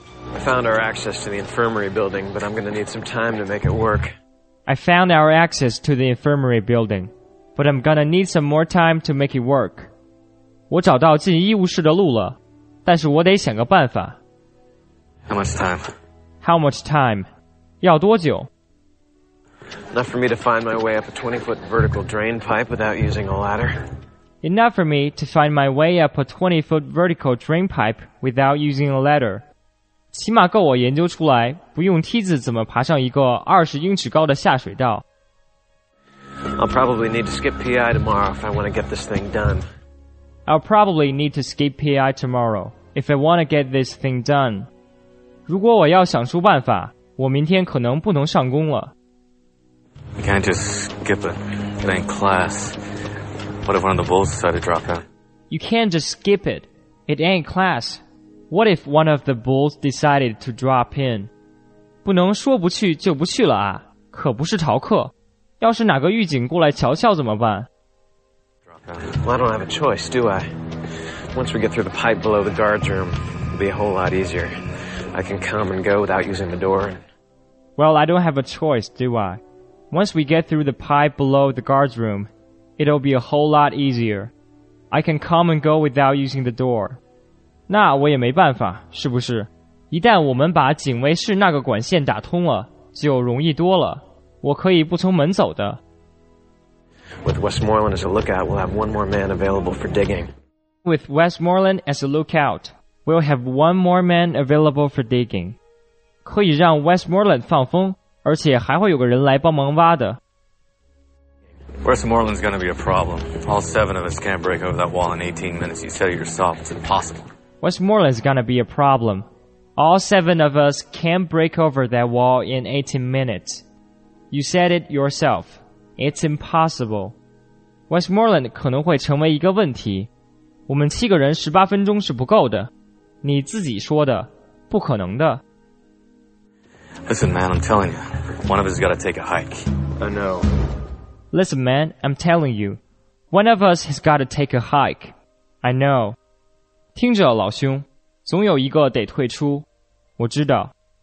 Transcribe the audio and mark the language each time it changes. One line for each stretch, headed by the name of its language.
English: I found our access to the infirmary building, but I'm gonna need some time to make it work. I found our access to the infirmary building. But I'm gonna need some more time to make it work.
Chinese: 我找到进医务室的路了，但是我得想个办法。
English: How much time? How much time?
Chinese: 要多久？
English: Enough for me to find my way up a 20-foot vertical drain pipe without using a ladder. Enough for me to find my way up a 20-foot vertical drain pipe without using a ladder.
Chinese: 起码够我研究出来不用梯子怎么爬上一个20英尺高的下水道。
English: I'll probably need to skip PI tomorrow if I want to get this thing done. I'll probably need to skip PI tomorrow if I want to get this thing done.
Chinese: 如果我要想出办法，我明天可能不能上工了。
English: You can't just skip it. It ain't class. What if one of the bulls decide to drop out? You can't just skip it. It ain't class. What if one of the bulls decided to drop in?
Chinese: 不能说不去就不去了啊，可不是逃课。要是哪个狱警过来瞧瞧怎么办？
English: Well, I don't have a choice, do I? Once we get through the pipe below the guards room, it'll be a whole lot easier. I can come and go without using the door. Well, I don't have a choice, do I? Once we get through the pipe below the guards room, it'll be a whole lot easier. I can come and go without using the door.
Chinese: 那我也没办法，是不是？一旦我们把警卫室那个管线打通了，就容易多了。我可以不从门走的。
English: With Westmoreland as a lookout, we'll have one more man available for digging. With Westmoreland as a lookout, we'll have one more man available for digging.
Chinese: 可以让 Westmoreland 放风，而且还会有个人来帮忙挖的。
English: Westmoreland's gonna be a problem. All 7 of us can't break over that wall in 18 minutes. You said it yourself, it's impossible. Westmoreland's gonna be a problem. All 7 of us can't break over that wall in 18 minutes. You said it yourself. It's impossible. Westmoreland
Chinese: 可能会成为一个问题。我们七个人18分钟是不够的。你自己说的，不可能的。
English: Listen, man, I'm telling you, one of us has got to take a hike. I know. Listen, man, I'm telling you, one of us has got to take a hike. I know.
Chinese: 听着，老兄，总有一个得退出。我知道。